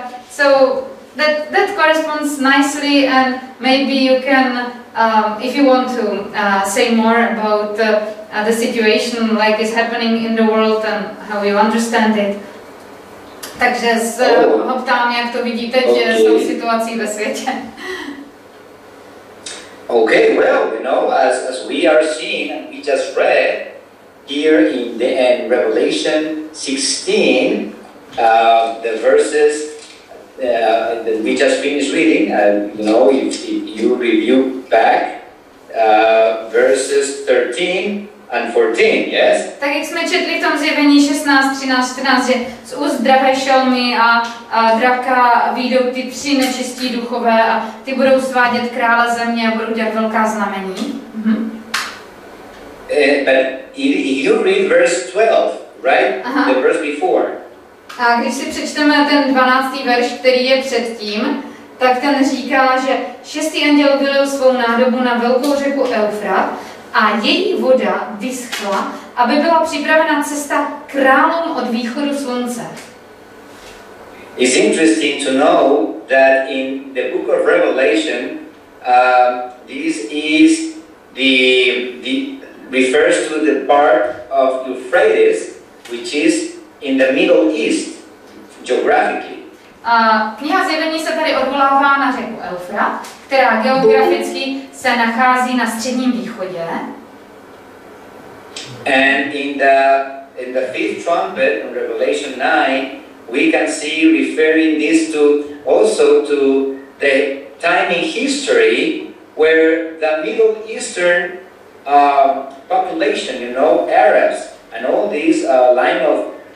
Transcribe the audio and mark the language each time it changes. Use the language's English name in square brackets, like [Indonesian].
[English] So that corresponds nicely, and maybe you can, if you want to, say more about the situation, like is happening in the world and how you understand it. [Czech] Takže se ho ptám, jak to vidíte, že s tou situací ve světě. [English] Okay, well, you know, as we are seeing, we just read here in the end, Revelation 16, the verses that we just finished reading, and you know, if you review back verses 13 and 14, yes? [Czech] Tak jak jsme četli v tom zjevení 16:13, že z úst drahé šelmy a drapka výjdou ty tři nečistí duchové a ty budou svádět krále země a budou dělat velká znamení. [English] But you read verse 12, right? Aha. The verse before. [Czech] A když si přečteme ten 12. verš, který je předtím, tak ten říká, že šestý anděl vylil svou nádobu na velkou řeku Eufrat a její voda vyschla, aby byla připravena cesta králům od východu slunce. [English] It's interesting to know that in the book of Revelation, this is the refers to the part of Euphrates, which is in the Middle East, geographically. [Czech] A kniha Zjevení se tady odvolává na řeku Eufrat, která geograficky se nachází na středním východě. [English] And in the fifth trumpet in Revelation 9, we can see referring this to also to the time in history where the Middle Eastern population, you know, Arabs and all these line of